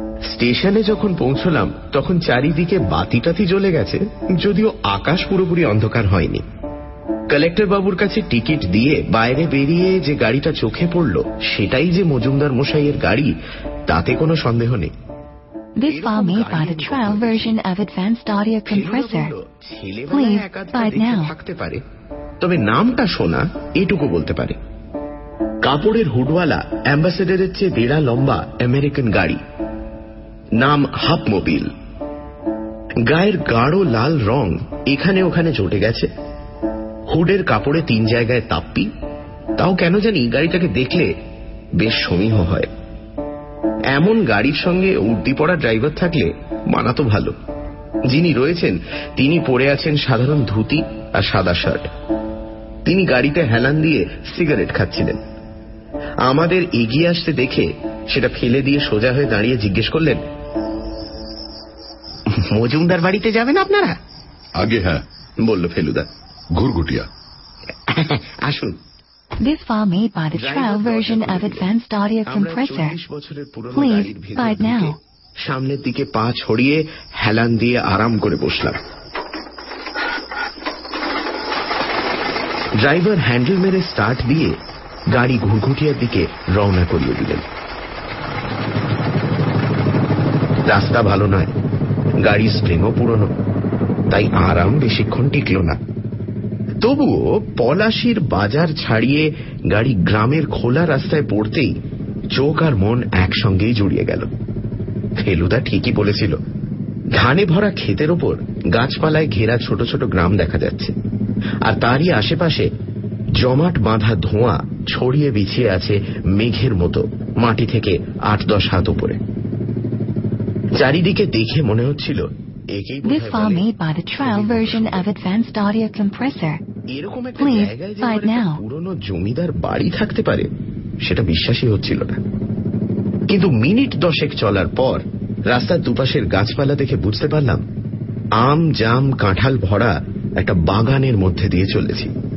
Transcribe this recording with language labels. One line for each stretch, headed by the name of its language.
Bangla: স্টেশনে যখন পৌঁছলাম তখন চারিদিকে বাতিটাতি জ্বলে গেছে, যদিও আকাশ পুরোপুরি অন্ধকার হয়নি। কালেক্টর বাবুর কাছে টিকিট দিয়ে বাইরে বেরিয়ে যে গাড়িটা চোখে পড়ল, সেটাই যে মজুমদার মশাইয়ের গাড়ি তাতে কোনো সন্দেহ নেই।
English: This file made by the trial version of Advanced Audio Compressor. Please buy it now.
Bangla: তবে নামটা শোনা এটুকু বলতে পারে। কাপড়ের হুডওয়ালা, অ্যাম্বাসেডরের চেয়ে বেড়া লম্বা আমেরিকান গাড়ি, নাম হাফ মোবিল। গায়ের গাঢ় লাল রং এখানে ওখানে চটে গেছে, হুডের কাপড়ে 3 জায়গায় তাপ্পি। তাও কেন জানি গাড়িটাকে দেখলে বেশ সমীহ হয়। এমন গাড়ির সঙ্গে উর্দি পড়া ড্রাইভার থাকলে মানা তো ভালো। যিনি রয়েছেন তিনি পরে আছেন সাধারণ ধুতি আর সাদা শার্ট। তিনি গাড়িতে হেলান দিয়ে সিগারেট খাচ্ছিলেন। আমাদের এগিয়ে আসতে দেখে সেটা ফেলে দিয়ে সোজা হয়ে দাঁড়িয়ে জিজ্ঞেস করলেন, মজুমদার বাড়িতে যাবেন আপনারা? আগে হ্যাঁ, বলল ফেলুদা। ঘুরঘুটিয়া আসুন।
English: This file made by the trial version of Advanced Audio Compressor. Please buy it now.
Bangla: সামনের দিকে পা ছড়িয়ে হেলান দিয়ে আরাম করে বসলাম। ড্রাইভার হ্যান্ডেল মেরে স্টার্ট দিয়ে গাড়ি ঘুরঘুটিয়ার দিকে রওনা করিয়ে দিলেন। রাস্তা ভালো নয়, গাড়ির স্প্রিংও পুরনো, তাই আরাম বেশিক্ষণ টিকল না। তবুও পলাশির বাজার ছাড়িয়ে গাড়ি গ্রামের খোলা রাস্তায় পড়তেই চোখ আর মন একসঙ্গেই জড়িয়ে গেল। ফেলুদা ঠিকই বলেছিল, ঘানে ভরা ক্ষেতের ওপর গাছপালায় ঘেরা ছোট ছোট গ্রাম দেখা যাচ্ছে, আর তারই আশেপাশে জমাট বাঁধা ধোঁয়া ছড়িয়ে বিছিয়ে আছে মেঘের মতো মাটি থেকে আট দশ হাত উপরে। চারিদিকে দেখে মনে হচ্ছিল
English: This farm made by the trial version of advanced audio compressor. Please, buy it now.
Bangla: পুরনো জমিদার বাড়ি থাকতে পারে সেটা বিশ্বাসই হচ্ছিল না। কিন্তু মিনিট দশেক চলার পর রাস্তার দুপাশের গাছপালা দেখে বুঝতে পারলাম, আম জাম কাঁঠাল ভরা একটা বাগানের মধ্যে দিয়ে চলেছি।